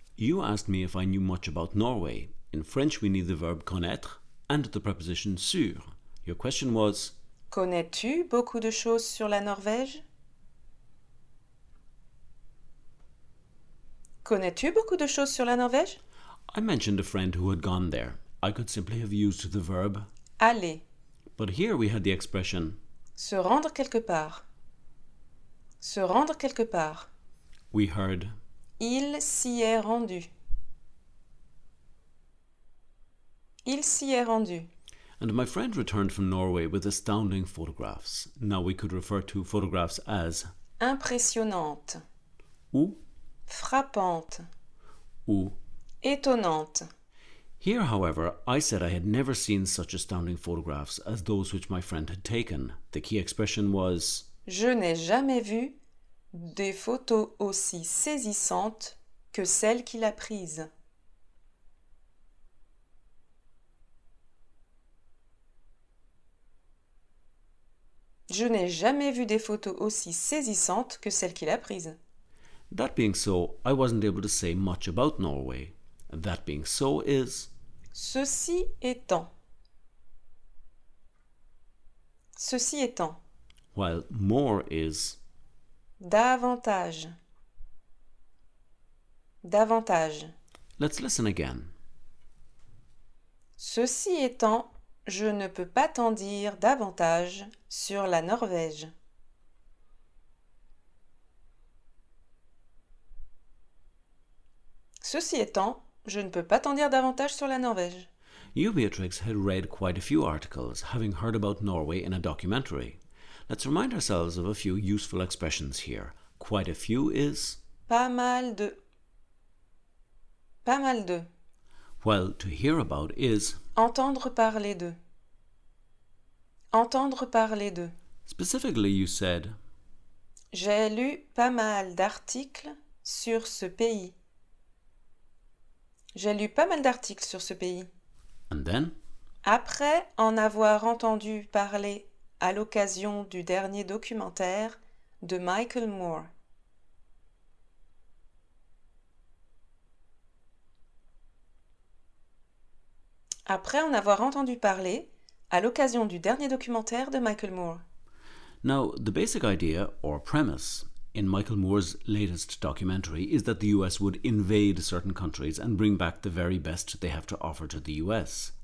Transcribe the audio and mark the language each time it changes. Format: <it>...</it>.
<en>You asked me if I knew much about Norway. In French, we need the verb connaître and the preposition sur. Your question was,</en> <fr>connais-tu beaucoup de choses sur la Norvège? Connais-tu beaucoup de choses sur la Norvège?</fr> <en>I mentioned a friend who had gone there. I could simply have used the verb</en> <fr>aller.</fr> <en>But here we had the expression</en> <fr>se rendre quelque part. Se rendre quelque part.</fr> <en>We heard</en> <fr>il s'y est rendu. Il s'y est rendu.</fr> <en>And my friend returned from Norway with astounding photographs. Now we could refer to photographs as</en> <fr>impressionnante ou frappante ou étonnante.</fr> <en>Here, however, I said I had never seen such astounding photographs as those which my friend had taken. The key expression was</en> <fr>je n'ai jamais vu des photos aussi saisissantes que celles qu'il a prises. Je n'ai jamais vu des photos aussi saisissantes que celles qu'il a prises.</fr> <en>That being so, I wasn't able to say much about Norway. That being so is...</en> <fr>Ceci étant. Ceci étant.</fr> <en>While more is...</en> <fr>Davantage. Davantage.</fr> <en>Let's listen again.</en> <fr>Ceci étant, je ne peux pas t'en dire davantage sur la Norvège. Ceci étant, je ne peux pas t'en dire davantage sur la Norvège.</fr> <en>You, Beatrix, had read quite a few articles, having heard about Norway in a documentary. Let's remind ourselves of a few useful expressions here. Quite a few is...</en> <fr>Pas mal de. Pas mal de.</fr> <en>Well, to hear about is...</en> <fr>Entendre parler de. Entendre parler de.</fr> <en>Specifically, you said...</en> <fr>J'ai lu pas mal d'articles sur ce pays. J'ai lu pas mal d'articles sur ce pays.</fr> <en>And then?</en> <fr>Après en avoir entendu parler à l'occasion du dernier documentaire de Michael Moore. Après en avoir entendu parler à l'occasion du dernier documentaire de Michael Moore.</fr> <en>Now, the basic idea, or premise, in Michael Moore's latest documentary is that the US would invade certain countries and bring back the very best they have to offer to the US.</en>